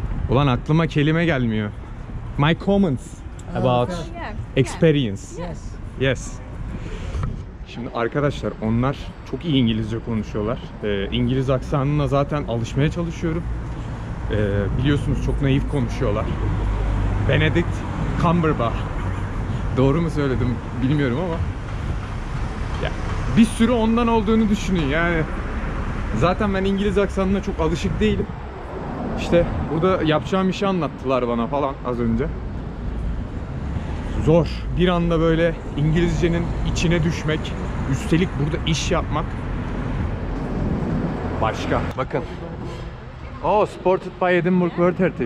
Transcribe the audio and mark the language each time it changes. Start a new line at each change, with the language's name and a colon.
Turkish: Ulan aklıma kelime gelmiyor.
English: My comments about experience. Yes.
Turkish: Şimdi arkadaşlar onlar çok iyi İngilizce konuşuyorlar. İngiliz aksanına zaten alışmaya çalışıyorum. Biliyorsunuz çok naif konuşuyorlar. Benedict Cumberbatch. Doğru mu söyledim bilmiyorum ama. Ya, bir sürü ondan olduğunu düşünün yani. Zaten ben İngiliz aksanına çok alışık değilim. İşte burada yapacağım işi anlattılar bana falan az önce. Zor. Bir anda böyle İngilizcenin içine düşmek, üstelik burada iş yapmak başka. Bakın.
English: Oh, supported by Edinburgh World Heritage.